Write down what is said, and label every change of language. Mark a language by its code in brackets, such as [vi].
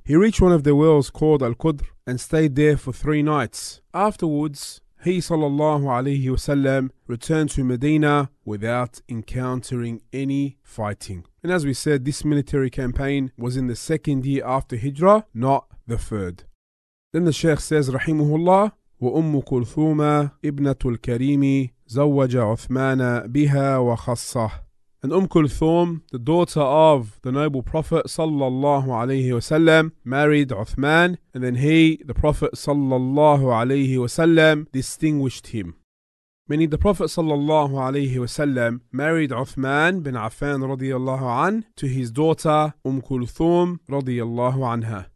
[en] He reached one of the wells called Al-Qudr and stayed there for 3 nights. Afterwards, he sallallahu alayhi wasallam returned to Medina without encountering any fighting. And as we said, this military campaign was in the second year after Hijrah, not the third. Then the Sheikh says, Rahimuhullah, [ar] وَأُمُّ كُلْثُومَ إِبْنَةُ الْكَرِيمِ زَوَّجَ عُثْمَانَ بِهَا وَخَصَّهُ. [en] And Kulthum, the daughter of the noble Prophet sallallahu alayhi wasallam, married Uthman, and then he, the Prophet sallallahu alayhi wasallam, distinguished him. Meaning the Prophet sallallahu alayhi wasallam married Uthman bin Affan radiyallahu anhu to his daughter Kulthum radiyallahu anha.